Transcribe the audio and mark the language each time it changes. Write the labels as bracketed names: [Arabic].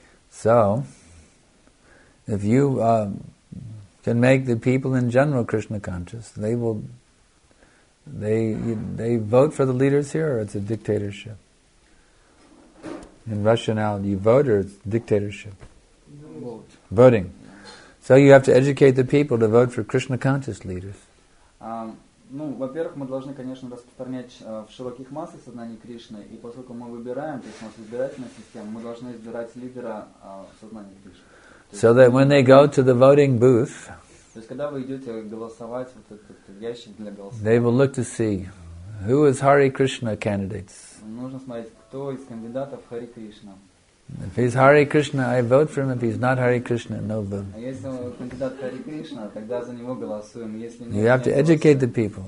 [English] So, if you can make the people in general Krishna conscious, they will. They vote for the leaders here, or it's a dictatorship? In Russia now, you vote or it's dictatorship? Vote. Voting. So you have to educate the people to vote for Krishna conscious leaders. [Russian] Ну, во-первых, мы должны, конечно, распространять в широких массах сознание Кришны, и поскольку мы выбираем, то есть у нас избирательная система, мы должны избирать лидера сознания Кришны. [English] So that when they go to the voting booth. [Russian] То есть, когда вы идете голосовать, вот этот ящик для голосования. [English] They will look to see Who is Hare Krishna candidates? [Russian] Нужно смотреть, кто из кандидатов Hare Krishna. [English] If he's Hare Krishna, I vote for him. If he's not Hare Krishna, no vote. You have to educate the people.